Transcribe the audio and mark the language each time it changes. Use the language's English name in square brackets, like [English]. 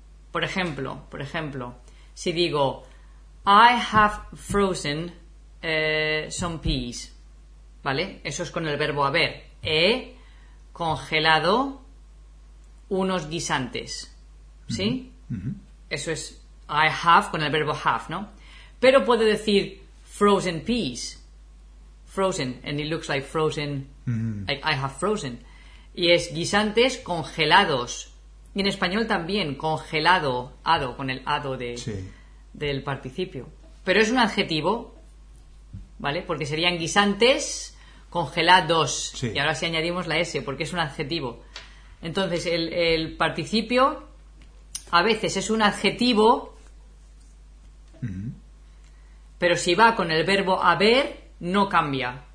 [Spanish] Por ejemplo, si digo [English] I have frozen some peas, [Spanish] ¿vale? Eso es con el verbo haber. He congelado unos guisantes, ¿sí? Uh-huh. Eso es I have con el verbo have, ¿no? Pero puedo decir frozen peas. [English] Frozen, and it looks like frozen, like I have frozen. [Spanish] Y es guisantes congelados. Y en español también, congelado, ado, con el ado de, sí, del participio. Pero es un adjetivo, ¿vale? Porque serían guisantes congelados. Sí. Y ahora sí añadimos la S, porque es un adjetivo. Entonces, el participio a veces es un adjetivo, pero si va con el verbo haber, no cambia.